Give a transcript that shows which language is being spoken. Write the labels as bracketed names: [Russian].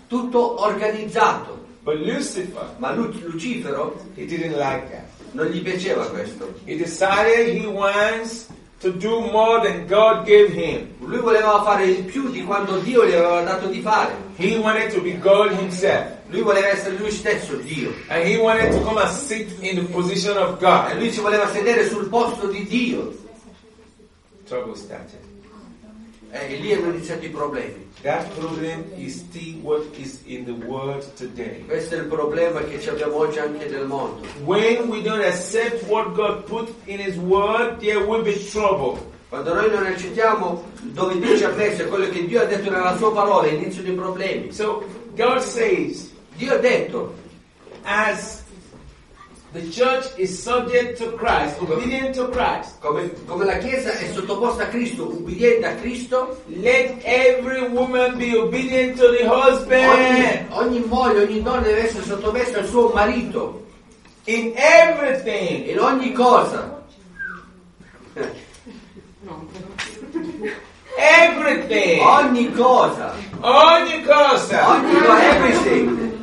[Italian] tutto organizzato. [English] But Lucifer, [Italian] ma Lucifero, [English] he didn't like that. [Italian] Non gli piaceva questo. [English] He decided he wants to do more than God gave him. [Italian] Lui voleva fare il più di quanto Dio gli aveva dato di fare. [English] He wanted to be God himself. [Italian] Lui voleva essere lui stesso Dio. [English] And he wanted to come and sit in the position of God. [Italian] E lui ci voleva sedere sul posto di Dio. [English] Trouble started. [Italian] E lì hanno iniziato i problemi. [English] That problem is still what is in the world today. [Italian] Questo è il problema che ci abbiamo oggi anche nel mondo. [English] When we don't accept what God put in His Word, there will be trouble. [Italian] Quando noi non accettiamo dove Dio ci ha messo, quello che Dio ha detto nella Sua parola, inizio dei problemi. [English] So God says, [Italian] Dio ha detto, [English] as The church is subject to Christ, obedient to Christ. [Italian] Come la chiesa è sottoposta a Cristo, ubbidiente a Cristo. [English] Let every woman be obedient to the husband. [Italian] Ogni moglie, ogni donna deve essere sottomessa al suo marito. [English] In everything. [Italian] In ogni cosa. [English] Everything. [Italian] Ogni cosa. Ogni cosa. Ogni cosa. [English] Everything.